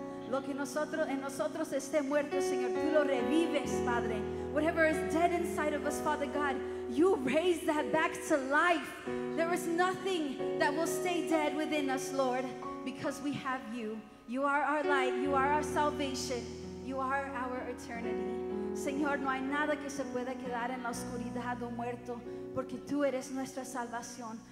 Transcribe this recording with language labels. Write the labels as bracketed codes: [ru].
[es] Lo que nosotros, en nosotros esté muerto, Señor, tú lo revives, Padre. [en] Whatever is dead inside of us, Father God, you raise that back to life. There is nothing that will stay dead within us, Lord, because we have you. You are our light. You are our salvation. You are our eternity. [es] Señor, no hay nada que se pueda quedar en la oscuridad o muerto, porque tú eres nuestra salvación.